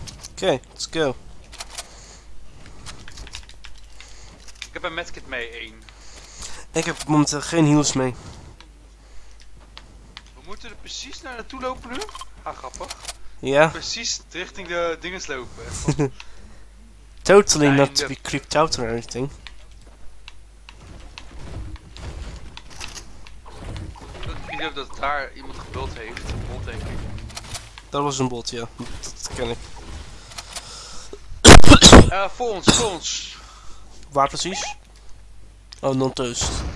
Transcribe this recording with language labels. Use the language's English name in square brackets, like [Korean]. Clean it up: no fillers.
[English] Oké, let's go. [Dutch] Ik heb een medkit mee, 1. Ik heb momenteel geen heals mee. We moeten er precies naar naartoe lopen nu. Ah, grappig. Ja. Precies richting de dinges lopen. [English] Totally not to be creeped out or anything. [Dutch] Ik heb het idee dat daar iemand gebuild heeft. Een bot, denk ik. Dat was een bot, ja. Dat ken ik. Voor ons. Waar precies? Oh, non-toast.